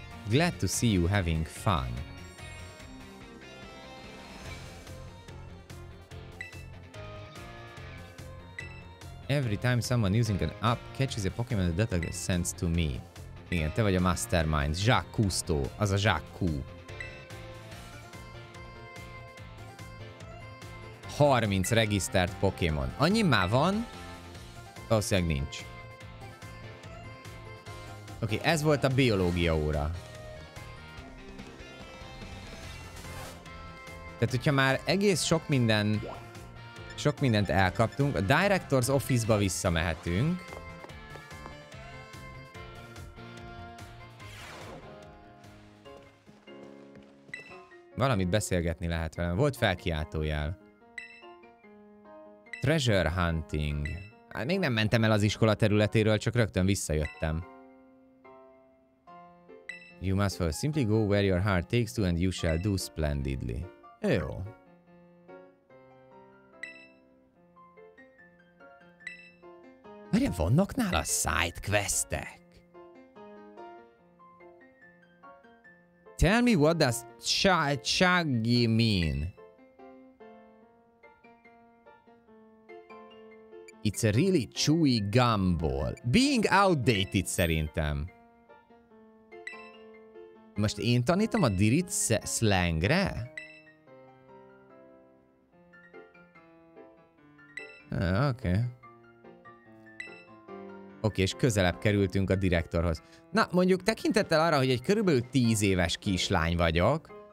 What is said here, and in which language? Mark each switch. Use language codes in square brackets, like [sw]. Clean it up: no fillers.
[en] Glad to see you having fun. Every time someone using an app catches a Pokemon, the data gets sent to me. [hu] Igen, te vagy a mastermind. Jacques Cousteau. Az a Jacques Cou. 30 regisztert Pokémon. Annyi már van? Valószínűleg nincs. Oké, ez volt a biológia óra. Tehát, hogyha már egész sok mindent elkaptunk, a Director's Office-ba visszamehetünk. Valamit beszélgetni lehet velem. Volt felkiáltójel. Treasure Hunting. Hát még nem mentem el az iskola területéről, csak rögtön visszajöttem. [en] You must first simply go where your heart takes to and you shall do splendidly. [hu] Jó. Merre vannak nála side questek? [en] Tell me what does Chaggy mean? It's a really chewy gumball. Being outdated [hu] szerintem. Most én tanítom a dirit slangre? Oké. Oké, és közelebb kerültünk a direktorhoz. Na, mondjuk tekintettel arra, hogy egy körülbelül 10 éves kislány vagyok,